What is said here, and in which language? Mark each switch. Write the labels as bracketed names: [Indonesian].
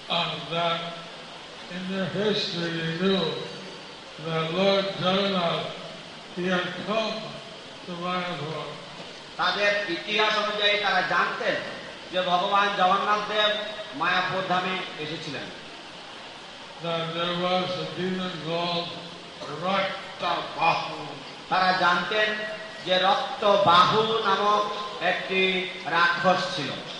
[English] In their history they knew that Lord Jagannath he had come to Mayapur. [Bangla] তাদের ইতিহাস অনুযায়ী তারা জানতেন যে ভগবান জগন্নাথ দেব মায়াপুর ধামে এসেছিলেন। [English] There was a demon called Raktabahu. [Bangla] তারা জানতেন যে রক্ত বাহু নামক একটি রাক্ষস ছিল।